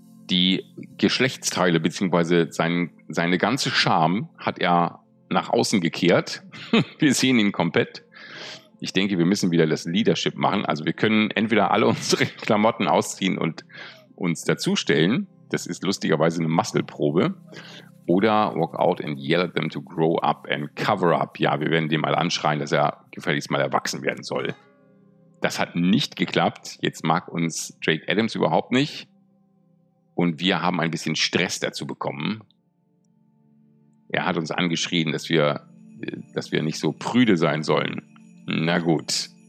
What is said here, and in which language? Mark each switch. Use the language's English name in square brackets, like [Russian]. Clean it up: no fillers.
[German] Die Geschlechtsteile bzw. seine ganze Scham hat er nach außen gekehrt. Wir sehen ihn komplett. Ich denke, wir müssen wieder das Leadership machen. Also wir können entweder alle unsere Klamotten ausziehen und uns dazustellen. Das ist lustigerweise eine Muscle-Probe. Oder [English] walk out and yell at them to grow up and cover up. [German] Ja, wir werden dem mal anschreien, dass er gefälligst mal erwachsen werden soll. Das hat nicht geklappt. Jetzt mag uns Drake Adams überhaupt nicht. Und wir haben ein bisschen Stress dazu bekommen. Er hat uns angeschrien, dass wir nicht so prüde sein sollen. Na gut.